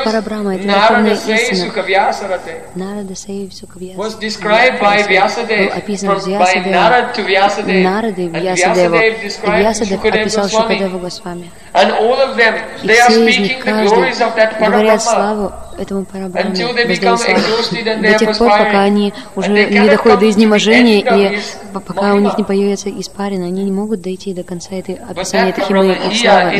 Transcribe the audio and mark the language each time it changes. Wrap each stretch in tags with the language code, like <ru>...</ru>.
<ru>Это Парабрахма, это верховная истина.</ru> <en>Narada Sei Sukavyasarate. Was described by Vyasadeva.</en> <ru>Был описан Vyasadeva.</ru> <en>By Narada to Vyasadeva. Narada Vyasadeva. And Vyasadeva</en> <ru>описал Шукадеву Госвами.</ru> <en>And all of them, they are speaking the glories of that Parabrahma.</en> <ru>Этому Парабрахме воздаю славу до тех пор, пока они уже не доходят до изнеможения, и пока у них не появится испарина, они не могут дойти до конца этой описания этой химии и славы.</ru>